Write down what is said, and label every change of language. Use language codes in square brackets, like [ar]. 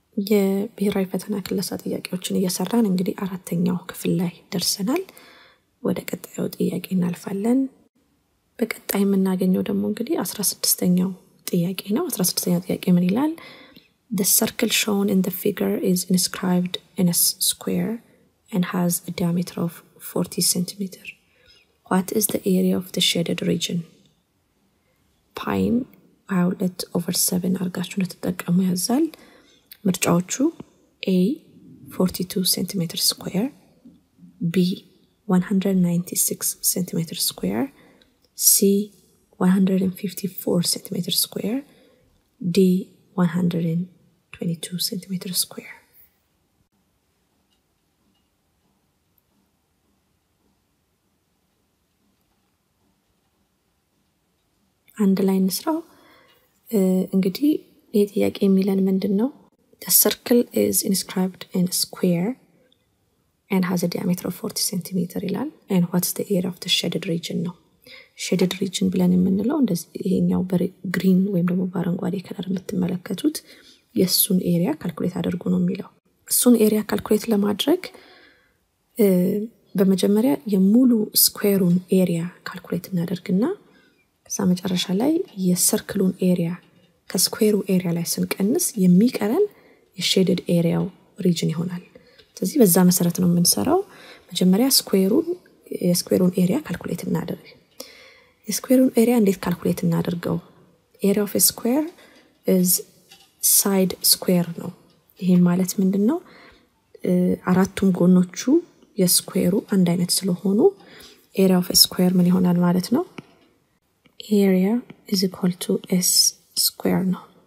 [am] የብሔራዊ ፈተና ክለሳ ጥያቄዎችን እየሰራን እንግዲህ አራተኛው ክፍል ላይ ደርሰናል። ወደ ቀጣዩ ጥያቄ እናልፋለን። በቀጣይ እናገኘው ደግሞ እንግዲህ 16ኛው ጥያቄ ነው። 16ኛው ጥያቄ ምን ይላል? [en] The circle shown in the figure is inscribed in a square and has a diameter of 40 cm. What is the area of the shaded region? Pine outlet over 7 [am] አርጋችሁ ለተጠቀሙ ያዛል። ምርጫዎቹ [en] A 42 cm square, B 196 cm square, C 154 cm square, D 122 cm square. [am] አንደላይን ስራው እንግዲህ የጥያቄ የሚለን ምንድነው? [en] The circle is inscribed in a square and has a diameter of 40 cm [am] ይላል. [en] And what's the area of the shaded region? No. [am] Shaded region ብለን የምንለው እንደዚህ ይሄኛው በግሪን ወይም ደግሞ በአረንጓዴ ከለር የምትመለከቱት የሱን ኤሪያ ካልኩሌት አድርጉ ነው የሚለው. እሱን ኤሪያ ካልኩሌት ለማድረግ በመጀመሪያ የሙሉ ስኩዌሩን ኤሪያ ካልኩሌት እናደርግና ከዛ መጨረሻ ላይ የሰርክሉን ኤሪያ ከስኩዌሩ ኤሪያ ላይ ስንቀንስ የሚቀረን የሼድድ ኤሪያው ሪጅን ይሆናል። ስለዚህ በዛ መሰረት ነው የምንሰራው። መጀመሪያ የስኩዌሩን ኤሪያ ካልኩሌት እናደርግ። የስኩዌሩን ኤሪያ እንዴት ካልኩሌት እናደርገው? [en] ኤሪያ ኦፍ ስኩዌር ኢዝ ሳይድ ስኩዌር [am] ነው። ይሄ ማለት ምንድነው? አራቱም ጎኖቹ የስኩዌሩ አንድ አይነት ስለሆኑ [en] ኤሪያ ኦፍ ስኩዌር [am] ምን ይሆናል ማለት ነው? [en] Area is equal to S square no.